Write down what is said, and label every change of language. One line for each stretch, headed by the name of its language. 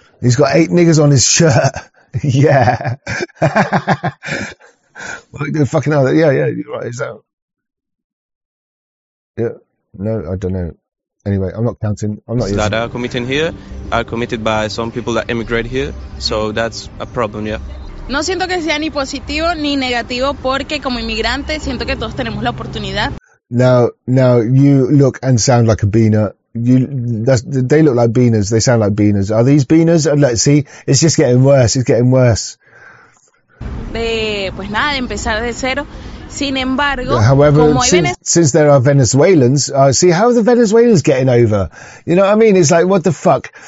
English: He's got eight niggers on his shirt. Yeah. Well, they're fucking out. Yeah, you're right. Is that... Yeah. No, I don't know. Anyway, I'm not counting. I'm not that are committing here are committed by some people that emigrate here. So that's a problem, yeah.
Spanish: No siento que sea ni positivo ni negativo porque como inmigrante siento que todos tenemos la oportunidad.
English: Now you look and sound like a beaner. They look like beaners. They sound like beaners. Are these beaners? Let's see. It's just getting worse. It's getting worse. However, since there are Venezuelans, see, how are the Venezuelans getting over? You know what I mean? It's like, what the fuck?